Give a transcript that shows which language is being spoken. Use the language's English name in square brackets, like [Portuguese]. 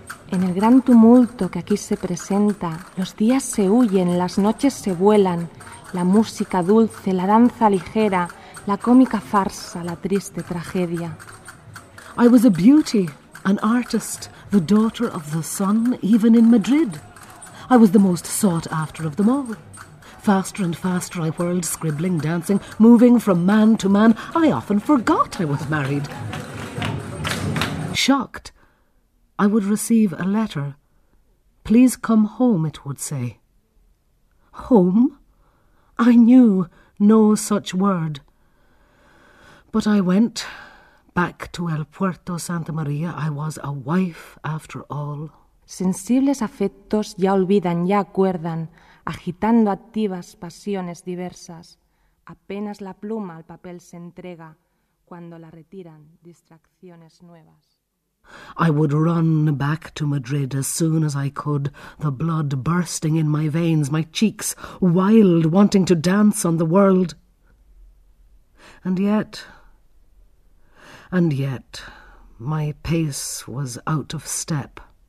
[Spanish] En el gran tumulto que aquí se presenta, los días se huyen, las noches se vuelan, la música dulce, la danza ligera, la cómica farsa, la triste tragedia. [English] I was a beauty, an artist, the daughter of the sun, even in Madrid. I was the most sought after of them all. Faster and faster I whirled, scribbling, dancing, moving from man to man. I often forgot I was married. Shocked, I would receive a letter. "Please come home," it would say. Home? I knew no such word. But I went back to El Puerto Santa María. I was a wife after all. [Spanish] Sensibles afectos ya olvidan, ya acuerdan, agitando activas pasiones diversas. Apenas la pluma al papel se entrega, cuando la retiran distracciones nuevas. [English] I would run back to Madrid as soon as I could, the blood bursting in my veins, my cheeks wild, wanting to dance on the world. And yet, my pace was out of step.